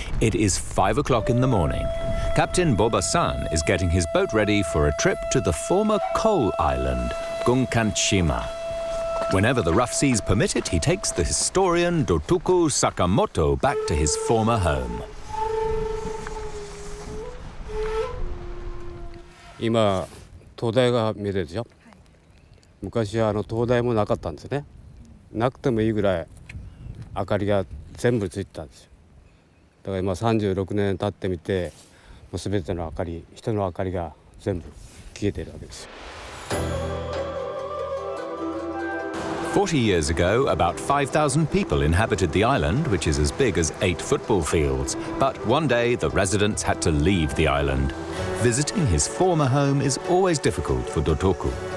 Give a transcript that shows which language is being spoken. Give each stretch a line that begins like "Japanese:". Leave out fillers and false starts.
English: It is 5 o'clock in the morning. Captain Boba-san is getting his boat ready for a trip to the former coal island, Gunkanshima. Whenever the rough seas permit it, he takes the historian Dotoku Sakamoto back to his former home.
Japanese: 今、灯台が見れるでしょ。昔はあの灯台もなかったんですね。なくてもいいぐらい明かりが全部ついてたんですよ。だから今36年経ってみて、もう全ての明かり、人の明かりが全部消えているわけですよ。
English: 40 years ago, about 5,000 people inhabited the island, which is as big as 8 football fields. But one day, the residents had to leave the island. Visiting his former home is always difficult for Dotoku.